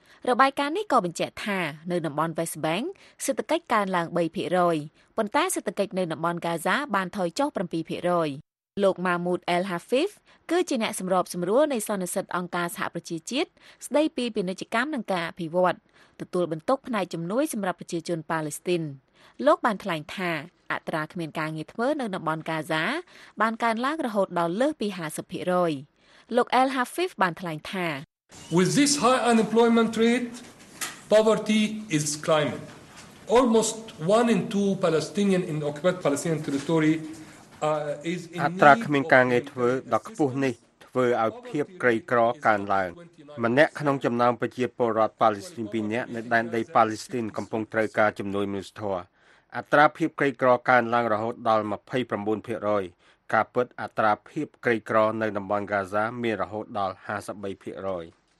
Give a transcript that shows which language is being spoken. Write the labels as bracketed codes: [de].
[km] របាយការណ៍នេះក៏បញ្ជាក់ថានៅតំបន់ West Bank សេដ្ឋកិច្ចកើនឡើង 3% ប៉ុន្តែសេដ្ឋកិច្ចនៅតំបន់ Gaza បានថយចុះ 7% លោក Mahmoud El Hafif គឺជាអ្នកសម្របសម្រួលនៃសន្និសីទអង្គការសហប្រជាជាតិស្ដីពីពាណិជ្ជកម្មនិងការអភិវឌ្ឍទទួលបន្ទុកផ្នែកជំនួយសម្រាប់ប្រជាជនប៉ាឡេស្ទីនលោកបានថ្លែងថាអត្រាគ្មានការងារធ្វើនៅតំបន់កាហ្សាបានកើនឡើងរហូតដល់លើសពី 50% លោក El Hafif បានថ្លែងថា [en] With this high unemployment rate poverty is climbing almost 1 in 2 Palestinian in occupied Palestinian territory [km] អត្រាគ្មានការងារធ្វើដល់ខ្ពស់នេះធ្វើឲ្យភាពក្រីក្រកើនឡើងម្នាក់ក្នុងចំណោមប្រជាពលរដ្ឋប៉ាឡេស្ទីន2នាក់នៅដែនដីប៉ាឡេស្ទីនកំពុងត្រូវការជំនួយមនុស្សធម៌អត្រាភាពក្រីក្រកើនឡើងរហូតដល់ 29% ការពិតអត្រាភាពក្រីក្រនៅតំបន់កាហ្សាមានរហូតដល់ 53%